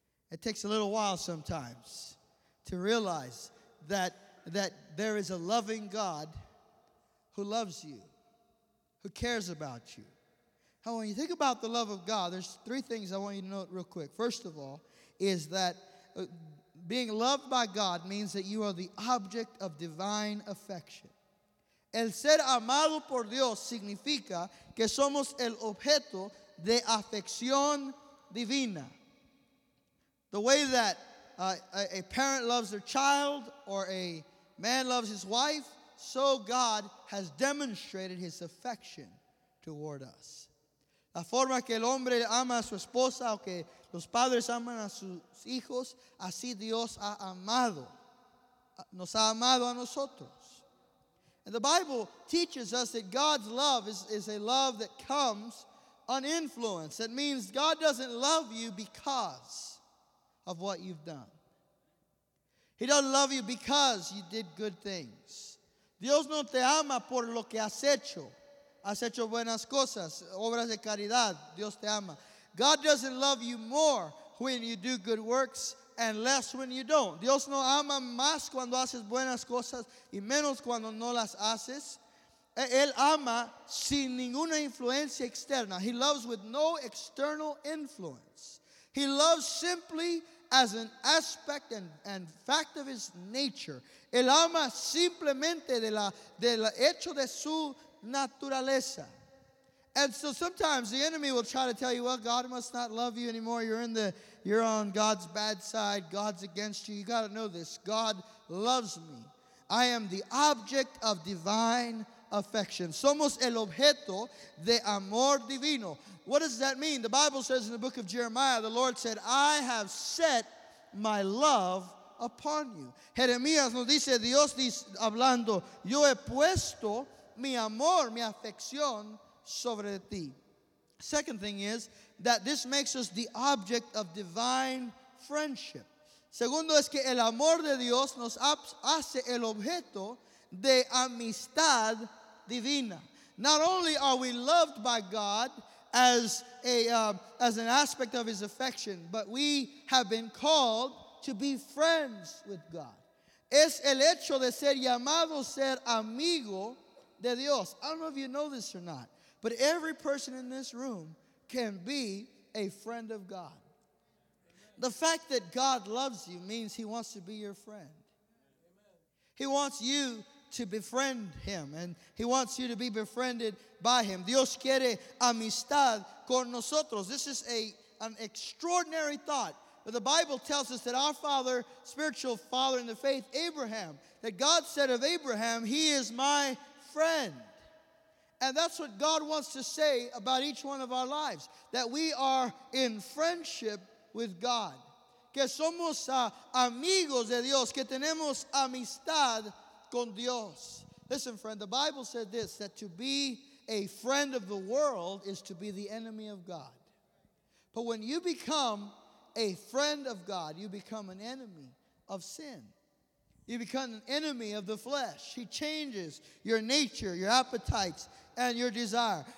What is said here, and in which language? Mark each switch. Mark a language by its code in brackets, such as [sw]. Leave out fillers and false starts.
[en] It takes a little while sometimes to realize that there is a loving God who loves you, who cares about you. Now, when you think about the love of God, there's three things I want you to note real quick. First of all, is that being loved by God means that you are the object of divine affection. [es] El ser amado por Dios significa que somos el objeto de afección divina. [en] The way that a parent loves their child or a man loves his wife, so God has demonstrated his affection toward us. [es] La forma que el hombre ama a su esposa o que los padres aman a sus hijos, así Dios ha amado, nos ha amado a nosotros. [en] And the Bible teaches us that God's love is a love that comes uninfluenced. That means God doesn't love you because of what you've done. He doesn't love you because you did good things. [es] Dios no te ama por lo que has hecho. Has hecho buenas cosas, obras de caridad. Dios te ama. [en] God doesn't love you more when you do good works and less when you don't. [es] Dios no ama más cuando haces buenas cosas y menos cuando no las haces. Él ama sin ninguna influencia externa. [en] He loves with no external influence. He loves simply as an aspect and fact of his nature. [es] Él ama simplemente del hecho de su naturaleza. [en] And so sometimes the enemy will try to tell you, well, God must not love you anymore. You're on God's bad side. God's against you. You got to know this. God loves me. I am the object of divine affection. [es] Somos el objeto de amor divino. [en] What does that mean? The Bible says in the book of Jeremiah, the Lord said, I have set my love upon you. [es] Jeremías nos dice, Dios dice, hablando, yo he puesto mi amor, mi afección sobre ti. [en] Second thing is that this makes us the object of divine friendship. [es] Segundo es que el amor de Dios nos hace el objeto de amistad divina. [en] Not only are we loved by God as an aspect of his affection, but we have been called to be friends with God. [es] Es el hecho de ser llamado ser amigo de Dios. [en] I don't know if you know this or not, but every person in this room can be a friend of God. The fact that God loves you means he wants to be your friend. He wants you to befriend him, and he wants you to be befriended by him. [es] Dios quiere amistad con nosotros. [en] This is an extraordinary thought. But the Bible tells us that our father, spiritual father in the faith, Abraham, that God said of Abraham, he is my friend. And that's what God wants to say about each one of our lives, that we are in friendship with God. [es] Que somos amigos de Dios, que tenemos amistad con Dios. [en] Listen, friend, the Bible said this, that to be a friend of the world is to be the enemy of God. But when you become a friend of God, you become an enemy of sin. You become an enemy of the flesh. He changes your nature, your appetites, and your desire.